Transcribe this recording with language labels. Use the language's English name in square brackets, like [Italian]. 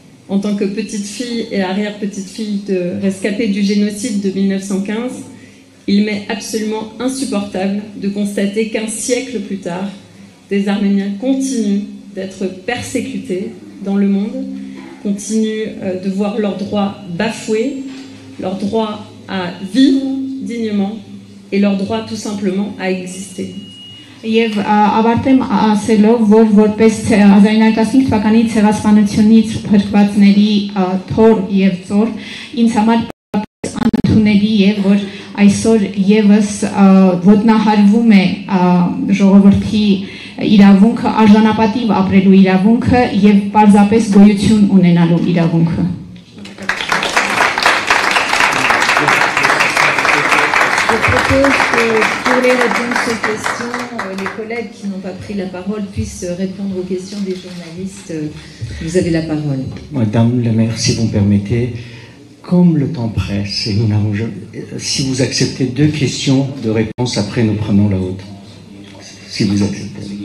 [French] En tant que petite fille et arrière-petite fille de rescapée du génocide de 1915, il m'est absolument insupportable de constater qu'un siècle plus tard, des Arméniens continuent d'être persécutés dans le monde, continuent de voir leurs droits bafoués, leur droit à vivre dignement et leur droit tout simplement à exister. [Armenian] Եվ ավարտեմ ասելով, որ որպես 1915 թվականի ցեղասպանությունից փրկվածների թոր և ծոր, ինձ համար պարզապես անընդունելի է, որ այսօր ևս ոտնահարվում է ժողովրդի իրավունքը, արժանապատիվ ապրելու իրավունքը և պարզապես գոյություն ունենալու իրավունքը. [French] Les collègues qui n'ont pas pris la parole puissent répondre aux questions des journalistes. Vous avez la parole. Madame la maire, si vous me permettez, comme le temps presse, et nous n'avons jamais, si vous acceptez deux questions de réponse, après nous prenons la haute. Si vous acceptez.